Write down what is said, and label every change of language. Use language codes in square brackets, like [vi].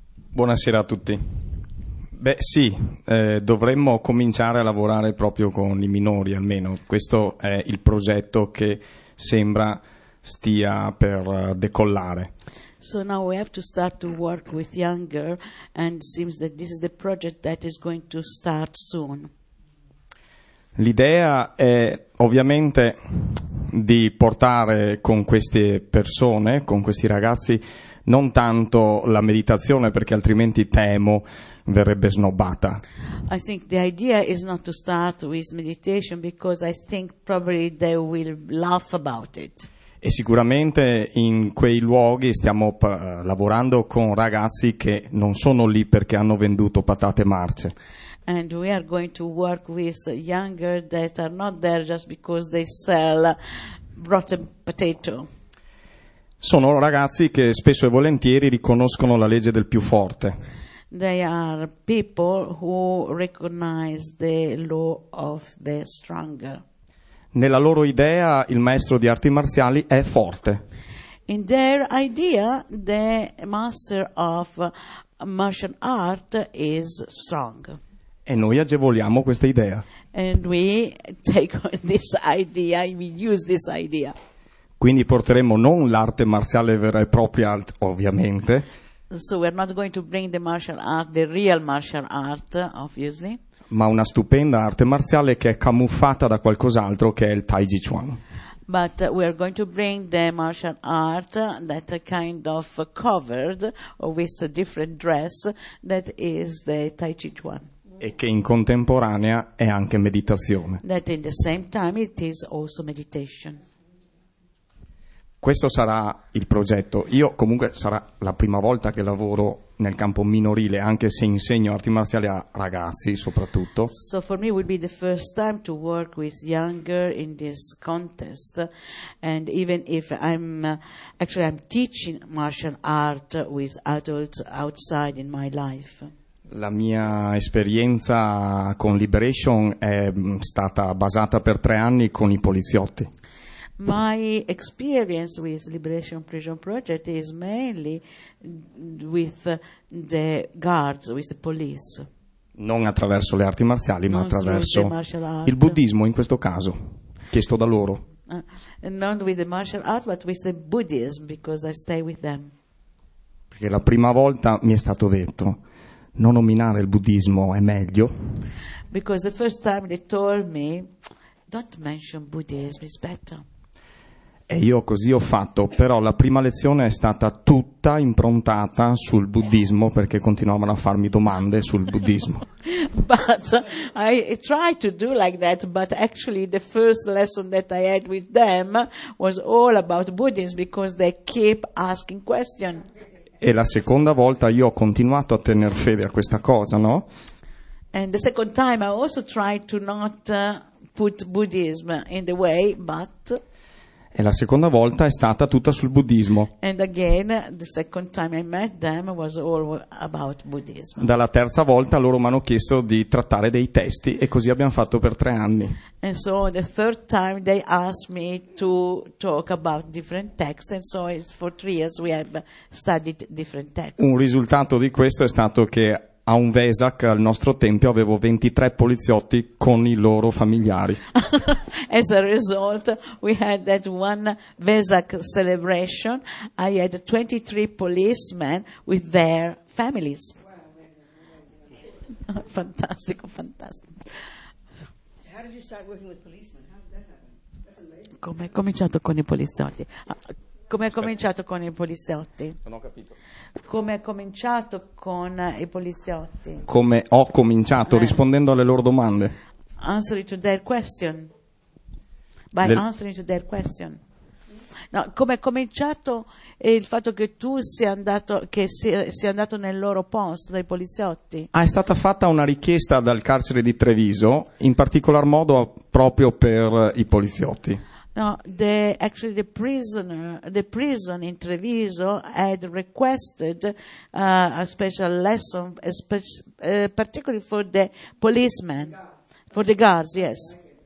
[it] Buonasera a tutti. Beh sì, dovremmo cominciare a lavorare proprio con i minori almeno. Questo è il progetto che sembra stia per decollare. [en] So now we have to start to work with younger and seems that this is the project that is going to start soon. [it] L'idea è ovviamente di portare con queste persone, con questi ragazzi, non tanto la meditazione, perché altrimenti temo verrebbe snobbata. [en] I think the idea is not to start with meditation because I think probably they will laugh about it. [it] E sicuramente in quei luoghi stiamo lavorando con ragazzi che non sono lì perché hanno venduto patate marce. [en] And we are going to work with younger that are not there just because they sell rotten potato. [it] Sono ragazzi che spesso e volentieri riconoscono la legge del più forte. [en] They are people who recognize the law of the stronger. [it] Nella loro idea il maestro di arti marziali è forte. [en] In their idea the master of martial art is strong. [it] E noi agevoliamo questa idea. [en] And we take this idea, we use this idea. [it] Quindi porteremo non l'arte marziale vera e propria, ovviamente. [en] So we're not going to bring the martial art, the real martial art, obviously. [it] Ma una stupenda arte marziale che è camuffata da qualcos'altro, che è il Tai Chi Chuan. [en] But we're going to bring the martial art that kind of covered or with a different dress that is the Tai Chi Chuan. [it] E che in contemporanea è anche meditazione. [en] That in the same time it is also meditation. [it] Questo sarà il progetto. Io comunque sarà la prima volta che lavoro nel campo minorile, anche se insegno arti marziali a ragazzi soprattutto. [en] So for me will be the first time to work with younger in this contest, and even if I'm teaching martial art with adults outside in my life. [it] La mia esperienza con Liberation è stata basata per 3 anni con i poliziotti. [en] My experience with Liberation Prison Project is mainly with the guards, with the police. [it] Non attraverso le arti marziali, ma attraverso il buddismo in questo caso, chiesto da loro. [en] Not with the martial art, but with the Buddhism, because I stay with them. [it] Perché la prima volta mi è stato detto, non nominare il buddismo è meglio. [en] Because the first time they told me, don't mention Buddhism, it's better. [it] E io così ho fatto, però la prima lezione è stata tutta improntata sul buddismo, perché continuavano a farmi domande sul buddismo. [en] But I tried to do like that, but actually the first lesson that I had with them was all about Buddhism, because they keep asking questions. [it] E la seconda volta io ho continuato a tenere fede a questa cosa, no? [en] And the second time I also tried to not put Buddhism in the way, but... [it] E la seconda volta è stata tutta sul buddismo. [en] And again, the second time I met them was all about Buddhism. [it] Dalla terza volta loro mi hanno chiesto di trattare dei testi e così abbiamo fatto per 3 anni. [en] And so the third time they asked me to talk about different texts, and so it's for 3 years we have studied different texts. [it] Un risultato di questo è stato che a un Vesak al nostro tempio avevo 23 poliziotti con i loro familiari. [en] As a result, we had that one Vesak celebration. I had 23 policemen with their families. [it] Fantastico, fantastico. [en] How did you start working with policemen? How did that happen? That's amazing. [it] Come è cominciato con i poliziotti? Come è cominciato con i poliziotti? Non ho capito. Come è cominciato con i poliziotti? Come ho cominciato rispondendo alle loro domande. [en] Answering to their question. By answering to their question. [it] No, come è cominciato il fatto che tu sia andato, che sia andato nel loro posto, dai poliziotti? È stata fatta una richiesta dal carcere di Treviso, in particolar modo proprio per i poliziotti. [en] No, the prison in Treviso had requested a special lesson, particularly for the policemen, for the guards, yes.